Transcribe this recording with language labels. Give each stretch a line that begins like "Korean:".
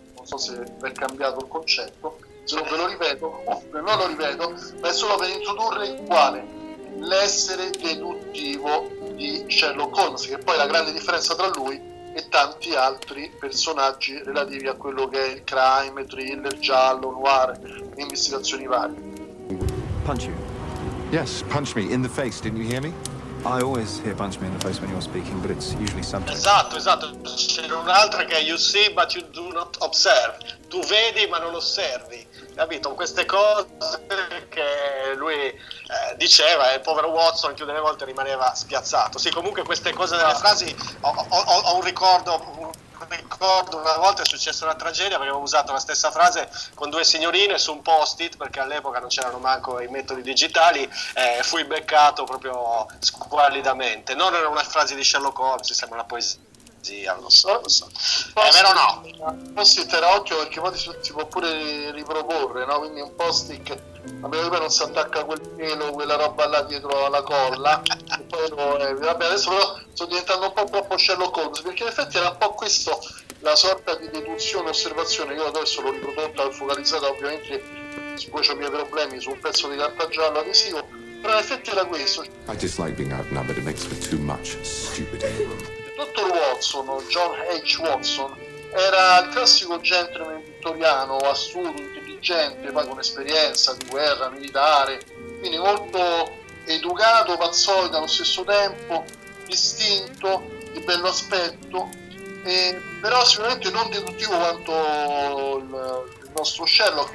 Italian: Non so se è cambiato il concetto, se non ve lo ripeto, non lo ripeto, ma è solo per introdurre il quale. L'essere deduttivo di Sherlock Holmes, che poi è la grande differenza tra lui e tanti altri personaggi relativi a quello che è il crime, thriller, giallo, noir, investigazioni varie.
English: Punch you. Yes, punch me in the face, didn't you hear me? I always hear punch me in the face when you're speaking, but it's usually something.
Italian: Esatto. C'è un'altra che è
English: you see but you do not observe.
Italian: Tu vedi ma non osservi. Capito? Queste cose che lui diceva, e il povero Watson più delle volte rimaneva spiazzato. Sì, comunque queste cose delle frasi, ho un ricordo. Ricordo una volta è successa una tragedia, avevo usato la stessa frase con due signorine su un post-it, perché all'epoca non c'erano manco i metodi digitali, fui beccato proprio squallidamente. Non era una frase di Sherlock Holmes, sembra una poesia. zia, lo so. Posti, è vero o no? Posti interocchio, perché poi si può pure riproporre, no? Quindi un postic, a meno che non si attacca quel pelo, quella roba là dietro alla colla. Poi, vabbè, adesso però sto diventando un po' troppo Sherlock Holmes, perché in effetti era un po' questo la sorta di deduzione, osservazione. Io adesso l'ho riprodotta, focalizzata ovviamente, poi c'ho i miei problemi, su un pezzo di carta gialla adesivo. Però in effetti era questo.
English: I dislike being outnumbered, it makes for too much stupid.
Italian: Dottor Watson, John H. Watson, era il classico gentleman vittoriano, astuto, intelligente, poi con esperienza di guerra, militare, quindi molto educato, pazzoide allo stesso tempo, distinto, di bello aspetto, però sicuramente non deduttivo quanto il nostro Sherlock.